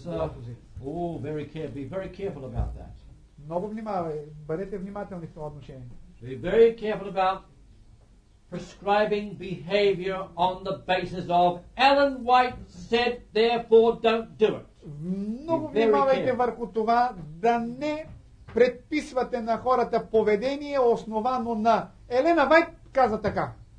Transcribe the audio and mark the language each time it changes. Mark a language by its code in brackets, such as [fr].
[en] Very careful about that. [bg] Много внимавай, бъдете внимателни в това отношение. [en] Be very careful about prescribing behavior on the basis of Ellen White said, therefore don't do it. [bg] Много внимавайте върху това да не предписвате на хората поведение основано на Елена Вайт каза така.